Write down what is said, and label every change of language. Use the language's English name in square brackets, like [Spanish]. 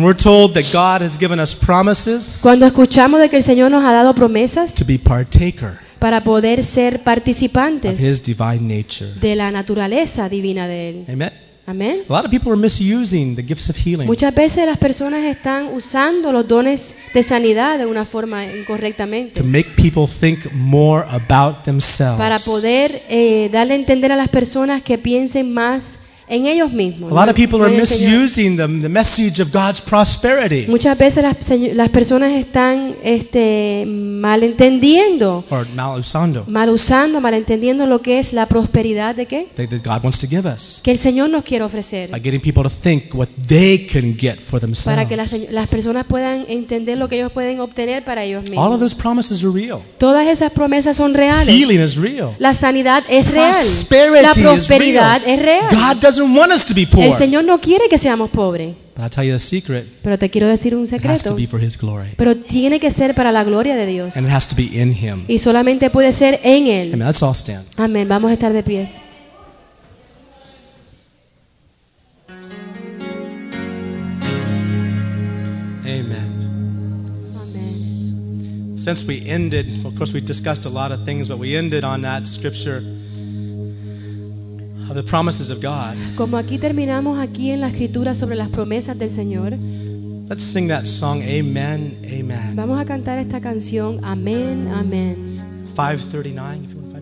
[English] And we're told that God has given us promises. [Spanish] Cuando escuchamos de que el Señor nos ha dado promesas. [English] To be partaker. [Spanish] Para poder ser participantes. [English] Of his divine nature. [Spanish] De la naturaleza divina de él. [English] Amen. [Spanish] Amen. [English] A lot of people are misusing the gifts of healing. [Spanish] Muchas veces las personas están usando los dones de sanidad de una forma incorrectamente. [English] To make people think more about themselves. [Spanish] Para poder darle a entender a las personas que piensen más en ellos mismos. [English] A lot of people are misusing the message of God's prosperity. [Spanish] Muchas veces las personas están malentendiendo. Or malusando. Malusando, malentendiendo lo que es la prosperidad de qué? [English] That God wants to give us. [Spanish] Que el Señor nos quiere ofrecer. [English] By getting people to think what they can get for themselves. [Spanish] Para que las personas puedan entender lo que ellos pueden obtener para ellos mismos. [English] All of those promises are real. [Spanish] Todas esas promesas son reales. [English] Healing is real. [Spanish] La sanidad es real. [English] Prosperity is real. [Spanish] La prosperidad es real. [English] God doesn't want us to be poor. [Spanish] El Señor no quiere que seamos pobres. [English] But I'll tell you the secret. [Spanish] Pero te quiero decir un secreto. [English] It has to be for His glory. [Spanish] Pero tiene que ser para la gloria de Dios. [English] And it has to be in Him. [Spanish] Y solamente puede ser en Él. [English] Amen. Let's all stand. [Spanish] Amén. Vamos a estar de pies. [English] Amen. Since we ended, of course we discussed a lot of things, but we ended on that scripture of the promises of God. [Spanish] Como aquí terminamos aquí en la escritura sobre las promesas del Señor. [English] Let's sing that song, Amen, Amen. [Spanish] Vamos a cantar esta canción, Amen, Amen. [English] 539.